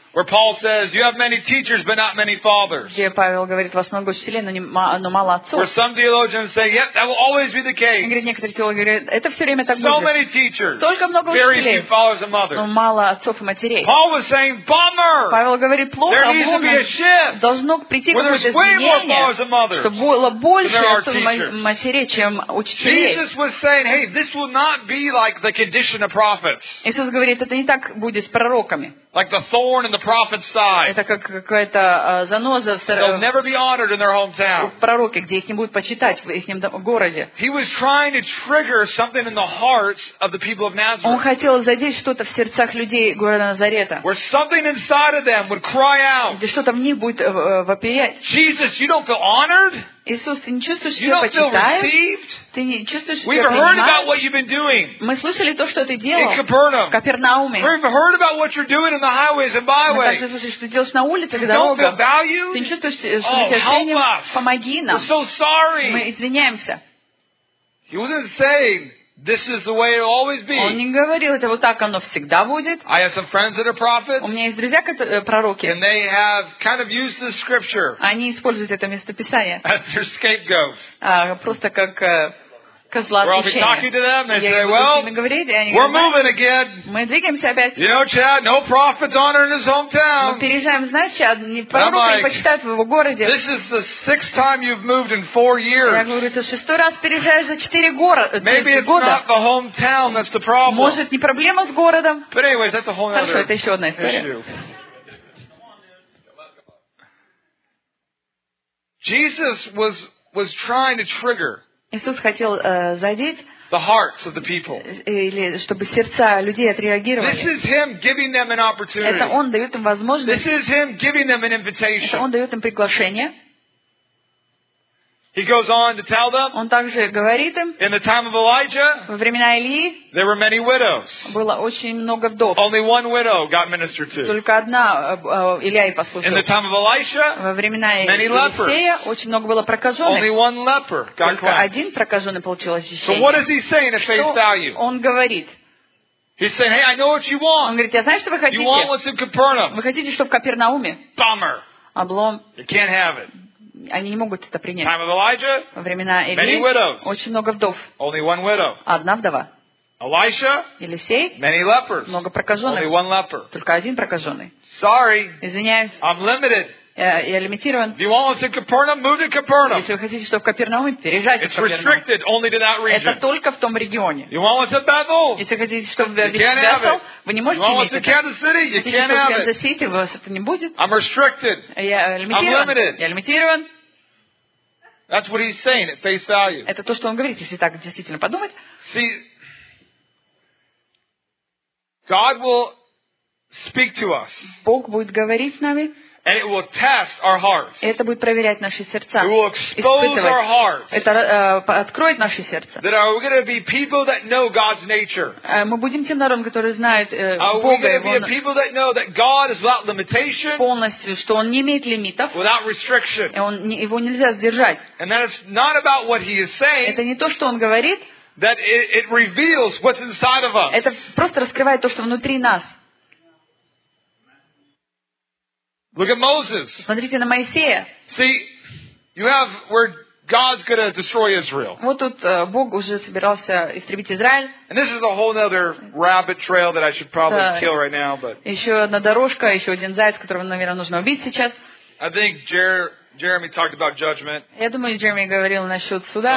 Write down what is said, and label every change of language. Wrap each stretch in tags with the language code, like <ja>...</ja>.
<en>Where Paul says, you have many teachers, but not many fathers.</en> <ru>Где Павел говорит, у вас много учителей, но мало отцов.</ru> <en>Where some theologians say, yep, that will always be the case.</en> <ru>Говорит, некоторые теологи говорят, это все время так</ru> <en>so</en> <ru>будет.</ru> <en>So many teachers,</en> <ru>столько много</ru> <en>very</en> <ru>учителей,</ru> <en>few fathers and mothers.</en> <ru>Но мало отцов и матерей.</ru> <en>Paul was saying, bummer!</en> <ru>Павел говорит, плохо,</ru> <en>there needs to be a shift.</en> <ru>Должно прийти</ru> <en>where there's way more fathers and mothers</en> <ru>чтобы было больше отцов и матерей, чем учителей.</ru> <en>Jesus was saying, hey, this will not be like the condition of prophets.</en> <ru>Иисус говорит, это не так будет с пророками.</ru> <en>Like the thorn in the prophet's side.</en> <ru>Это как какая-то заноза.</ru> <en>They'll never be honored in their hometown.</en> <ru>Пророки, где их не будут почитать в их городе.</ru> <en>He was trying to trigger something in the hearts of the people of Nazareth.</en> <ru>Он хотел задеть что-то в сердцах людей города Назарета.</ru> <en>Where something inside of them would cry out.</en> <ru>Где что-то в них будет вопиять.</ru> <en>Jesus, you don't feel honored?</en> <ru>Иисус, ты не чувствуешь себя почитаем? Ты не чувствуешь себя</ru> <en>We've heard about what you've been doing.</en> <ru>Мы слышали то, что ты делал</ru> <en>in</en> <ru>в Капернауме.</ru> <en>We've heard about what you're doing in the highways and byways.</en> <ru>Мы также слышали, что ты делаешь на улицах и дорогах. Ты не чувствуешь себя ценным? Помоги нам.</ru> <en>We're so sorry.</en> <ru>Мы извиняемся.</ru> <en>He wasn't saying, this is the way it'll always be.</en> <ru>Он не говорил, это вот так оно всегда будет.</ru> <en>I have some friends that are prophets.</en> <ru>У меня есть друзья, пророки.</ru> <en>And they have kind of used this scripture.</en> <ru>Они используют это местописание.</ru> <en>As their scapegoat.</en> <ru>Просто как козла отпущения.</ru> <en>We're talking to them. They say, well, we're moving again.</en> <ru>Мы двигаемся опять.</ru> <en>You know, Chad, no prophet's honor in his hometown.</en> <ru>Мы переезжаем, знаешь, Чад, не пророк не почитает в его городе.</ru> <en>This is the sixth time you've moved in 4 years.</en> <ru>Я говорю, ты шестой раз переезжаешь за 4 года.</ru> <en>Maybe it's not the hometown that's the problem.</en> <ru>Может, не проблема с городом.</ru> <en>But anyways, that's a whole other issue.</en> <ru>Это еще одна история.</ru> <en>Jesus was trying to trigger.</en> <ru>Иисус хотел задеть</ru> <en>the hearts of the people.</en> <ru>Или чтобы сердца людей отреагировали.</ru> <en>This is him giving them an opportunity.</en> <ru>Это он дает им возможность.</ru> <en>This is him giving them an invitation.</en> <ru>Это он дает им приглашение.</ru> <en>He goes on to tell them.</en> <ru>Он также говорит им.</ru> <en>In the time of Elijah,</en> <ru>во времена Илии,</ru> <en>there were many widows.</en> <ru>Было очень много вдов.</ru> <en>Only one widow got ministered to.</en> <ru>Только одна Илия и послушал.</ru> <en>In the time of Elisha,</en> <ru>во времена Илии,</ru> <en>many lepers.</en> <ru>Очень много было прокаженных.</ru> <en>Only one leper got cleansed.</en> <ru>Только один прокаженный получил очищение.</ru> <en>So what is he saying at face value?</en> <ru>Он говорит.</ru> <en>He's saying, "Hey, I know what you want."</en> <ru>Он говорит, я знаю, что вы хотите.</ru> <en>You want what's in Capernaum?</en> <ru>Вы хотите, чтобы в Капернауме?</ru> <en>Bummer.</en> <ru>Облом.</ru> <en>You can't have it.</en> <ru>Они не могут это принять.</ru> <en>Time of Elijah,</en> <ru>во времена Илии</ru> <en>many widows,</en> <ru>очень много вдов.</ru> <en>Only one widow.</en> <ru>Одна вдова.</ru> <en>Elisha,</en> <ru>Елисей</ru> <en>many lepers,</en> <ru>много прокаженных.</ru> <en>Only one leper.</en> <ru>Только один прокаженный.</ru> <en>Sorry,</en> <ru>извиняюсь.</ru> <en>I'm limited.</en> <ru>Я лимитирован.</ru> <en>If you want to Capernaum, move to Capernaum.</en> <ru>Если вы хотите, чтобы в Капернауме, переезжайте в Капернаум. Это только в том регионе.</ru> <en>You want to Bethel,</en> <ru>если вы хотите, чтобы в Бетел, вы не можете иметь это.</ru> <en>Kansas City, you</en> <ru>если вы хотите, чтобы в Канзас-Сити, у вас это не будет.</ru> <en>I'm restricted.</en> <ru>Я лимитирован.</ru> <en>I'm limited.</en> <ru>Я лимитирован.</ru> <en>That's what he's saying at face value.</en> <ru>Это то, что он говорит, если так действительно подумать.</ru> <en>See, God will speak to us.</en> <ru>Бог будет говорить с нами.</ru> <en>And it will test our hearts.</en> <ru>Это будет проверять наши сердца.</ru> <en>It will expose our hearts.</en> <ru>Это откроет наши сердца.</ru> <en>That are we going to be people that know God's nature?</en> <ru>Мы будем тем народом, который знает Бога.</ru> <en>Are we going to be a people that know that God is without limitation?</en> <ru>Полностью, что Он не имеет лимитов.</ru> <en>Without restriction.</en> <ru>И его нельзя сдержать.</ru> <en>And that is not about what He is saying.</en> <ru>Это не то, что Он говорит.</ru> <en>That it reveals what's inside of us.</en> <ru>Это просто раскрывает то, что внутри нас.</ru> <en>Look at Moses.</en> <ru>Смотрите на Моисея.</ru> <en>See, you have where God's going to destroy Israel.</en> <ru>Вот тут Бог уже собирался истребить Израиль.</ru> <en>And this is a whole other rabbit trail that I should probably kill right now, but.</en> <ru>Еще одна дорожка, еще один заяц, которого, наверное, нужно убить сейчас.</ru> <en>I think Jeremy talked about judgment.</en> <ru>Я думаю, Джереми говорил насчет суда.</ru>